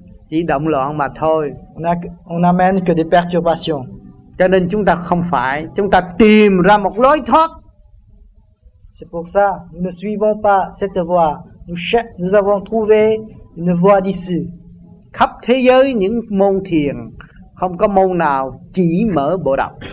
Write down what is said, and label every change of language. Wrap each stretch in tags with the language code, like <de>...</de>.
<vi>Chỉ động loạn mà thôi.</vi> <fr>On amène que des perturbations.</fr> <vi>Cho nên chúng ta không phải, chúng ta tìm ra một lối thoát.</vi> <fr>C'est pour ça, nous ne suivons pas cette voie. Nous avons trouvé une voie d'issue.</fr> <vi>Khắp thế giới những môn thiền, không có môn nào chỉ mở bộ đầu.</vi>